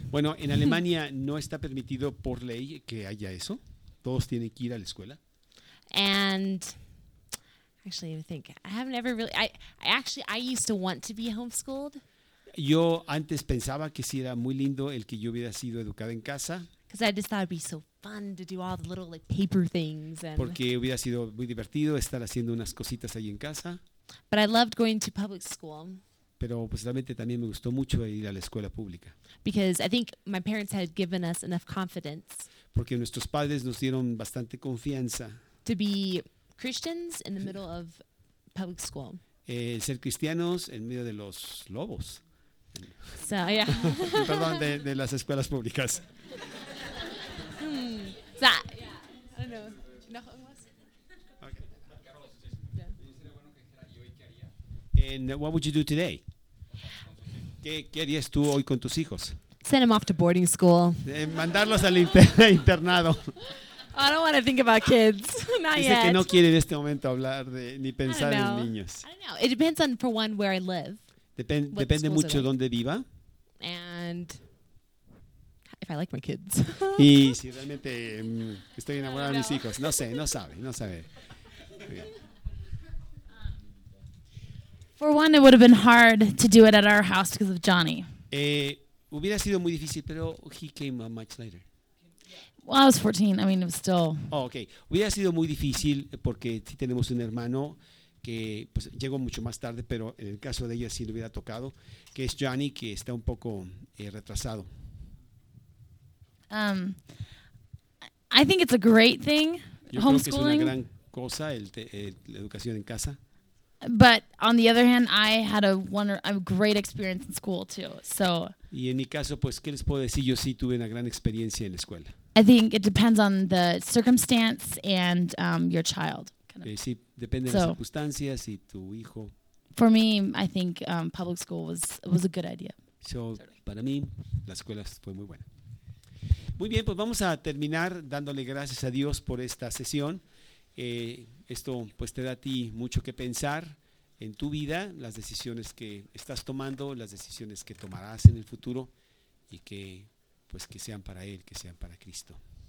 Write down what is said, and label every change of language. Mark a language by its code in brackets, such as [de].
[es] Bueno, en Alemania no está permitido por ley que haya eso. Todos tienen que ir a la escuela. [en] And actually, I think I have never really. I used to want to be homeschooled. [es] Yo antes pensaba que sí era muy lindo el que yo hubiera sido educada en casa. [en] Because I just thought it'd be so fun to do all the little like paper things. And [es] porque hubiera sido muy divertido estar haciendo unas cositas ahí en casa. [en] But I loved going to public school. [es] Pero pues realmente también me gustó mucho ir a la escuela pública. [en] Because I think my parents had given us enough confidence. [es] Porque nuestros padres nos dieron bastante confianza. [en] To be Christians in the middle of public school. [es] Ser cristianos en medio de los lobos. [en] So yeah. [es] Perdón, de las escuelas públicas. [en] So, yeah. I don't know. Okay. And what would you do today? [es] ¿Qué harías tú hoy con tus hijos? [en] Send them off to boarding school. [es] Mandarlos al internado. [en] I don't want to think about kids. Not [es] dice [en] yet. [es] Que no quiere en este momento hablar de, ni pensar en niños. [en] I don't know. It depends on, for one, where I live. [es] Depende mucho dónde viva. [en] And if I like my kids. [es] Y si realmente estoy enamorada de mis hijos. No sé, no sabe. [en] For one, it would have been hard to do it at our house because of Johnny. [es] Hubiera sido muy difícil, pero [en] he came much later. Well, I was 14. I mean, it was still. Oh, okay. [es] Hubiera sido muy difícil porque sí tenemos un hermano que pues llegó mucho más tarde, pero en el caso de ella sí le hubiera tocado, que es Johnny, que está un poco retrasado. [en] I think it's a great thing. [es] Yo [en] homeschooling. [es] Creo que es una gran cosa la educación en casa. [en] But on the other hand, I had a great experience in school too. So. [es] Y en mi caso, pues, ¿qué les puedo decir? Yo sí tuve una gran experiencia en la escuela. [en] I think it depends on the circumstance and your child. Kind of. [es] Sí, depende de las circunstancias y tu hijo. [en] For me, I think public school was a good idea. [es] So, para mí, la escuela fue muy buena. Muy bien, pues vamos a terminar dándole gracias a Dios por esta sesión. Esto pues te da a ti mucho que pensar en tu vida, las decisiones que estás tomando, las decisiones que tomarás en el futuro y que pues que sean para Él, que sean para Cristo.